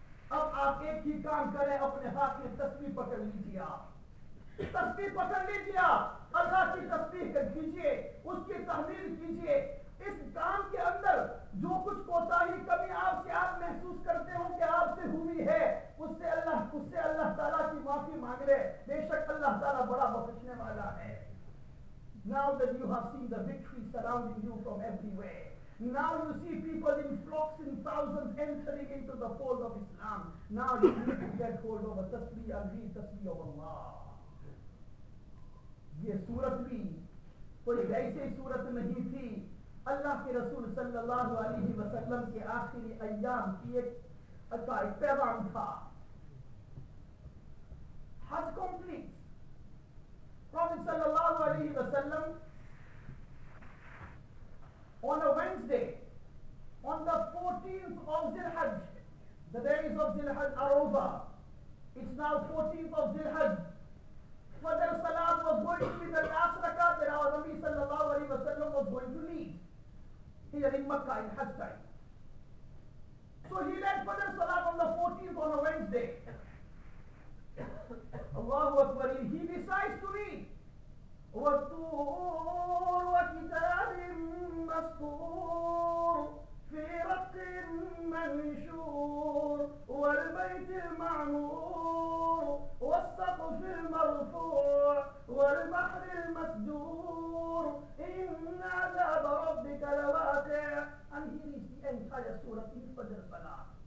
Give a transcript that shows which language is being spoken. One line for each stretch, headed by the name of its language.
Urdu: اب آپ ایک ہی کام کریں اپنے ہاتھ میں تسبیح پکڑ لیجیے آپ تسبیح پکڑ لیجیے اللہ کی تسبیح کیجیے اس کی تحمید کیجیے اس کام کے اندر جو کچھ کوتاہی کمی آپ سے آپ محسوس کرتے ہوں کہ آپ سے ہوئی ہے اس سے اللہ تعالیٰ کی معافی مانگ رہے بے شک اللہ تعالیٰ بڑا بخشنے والا ہے
English: Now that you have seen the victory surrounding you from everywhere, now you see people in flocks in thousands entering into the fold of Islam. Now you need to get hold of a tasbih and read tasbih of Allah.
Urdu: یہ صورت بھی کوئی ویسے صورت نہیں تھی اللہ کے رسول صلی اللہ علیہ وسلم کے آخری ایام کی ایک پیغام تھا حج کمپلیٹ پروفیٹ صلی اللہ علیہ وسلم
English: On a Wednesday on the 14th of ذلحج the days of ذلحج are over it's now 14th of ذلحج Fajr Salat was going to be the last rakat that our Nabi sallallahu alayhi wa sallam was going to lead here in Makkah in Hajj time. So he led Fajr Salat on the 14th on a Wednesday. Allahu Akbar, he decides to read.
Arabic: وَالطُّورْ وَكِتَابٍ مَسْطُورٍ فِي رَقٍ مَنْشُورٍ وَالْبَيْتِ الْمَعْمُورِ وَالسَّقْفِ الْمَرْفُوعِ وَالْبَحْرِ الْمَسْجُورِ إِنَّ عَذَابَ رَبِّكَ لَوَاقِعٌ
English: And here is the entire surah in Fajr Salat.